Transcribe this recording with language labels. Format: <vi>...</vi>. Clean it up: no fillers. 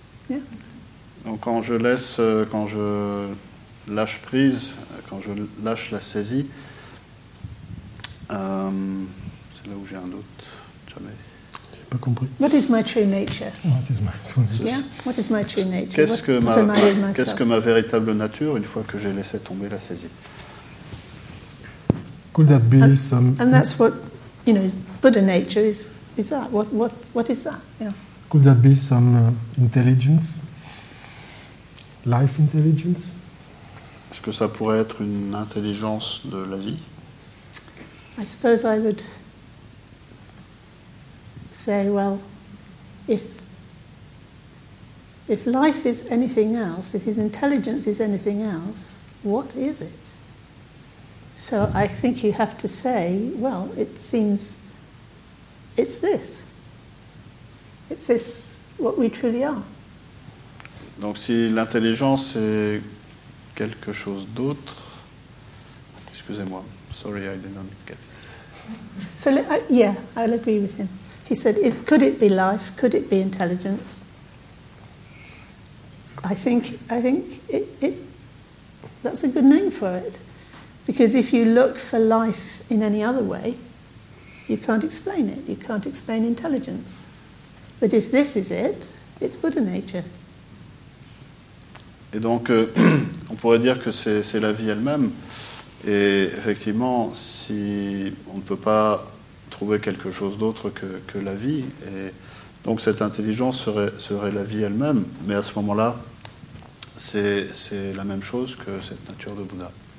<fr>Yeah. Donc quand je lâche la saisie, là où j'ai un doute, jamais. J'ai pas compris.</fr> <en>What is my true nature? What is my true nature?</en> <fr>Qu'est-ce que ma véritable nature une fois que j'ai laissé tomber la saisie?</fr> <en>Could that be some? And that's what, you know, Buddha nature is that? What is that? Yeah. Could that be some intelligence? Life intelligence?</en> <fr>Est-ce que ça pourrait être une intelligence de la vie?</fr> <en>I suppose I would say, well, if life is anything else, if his intelligence is anything else, what is it? So I think you have to say, well, it seems it's this. It's this what we truly are.</en> <fr>Donc si l'intelligence est quelque chose d'autre, excusez-moi,</fr> <en>sorry, I didn't get it. So I'll agree with him. He said, could it be life? Could it be intelligence? I think that's a good name for it. Because if you look for life in any other way, you can't explain it. You can't explain intelligence. But if this is it, it's Buddha nature.</en> <fr>Et donc, on pourrait dire que c'est la vie elle-même. Et effectivement, si on ne peut pas trouver quelque chose d'autre que la vie, et donc cette intelligence serait la vie elle-même, mais à ce moment-là, c'est la même chose que cette nature de Bouddha.</fr>